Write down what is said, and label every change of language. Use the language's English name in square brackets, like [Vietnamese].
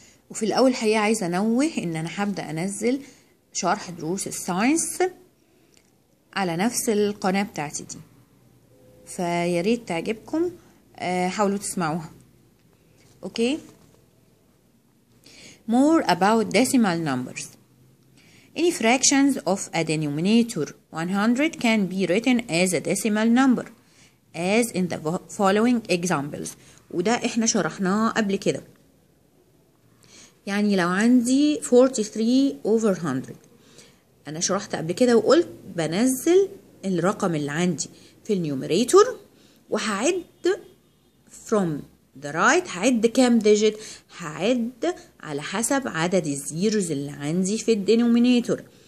[Arabic] وفي الاول حقيقه عايزه انوه ان انا هبدا انزل شرح دروس الساينس على نفس القناه بتاعتي دي، فيا ريت تعجبكم حاولوا تسمعوها. [English] Okay, more about decimal numbers. Any fractions of a denominator 100 can be written as a decimal number as in the following examples. [Arabic] وده احنا شرحناه قبل كده. يعني لو عندي 43/100، انا شرحت قبل كده وقلت بنزل الرقم اللي عندي في النيوميريتور وهعد [English] from the right، [Arabic] هعد كام ديجيت، هعد على حسب عدد الزيروز اللي عندي في الدينومينيتور.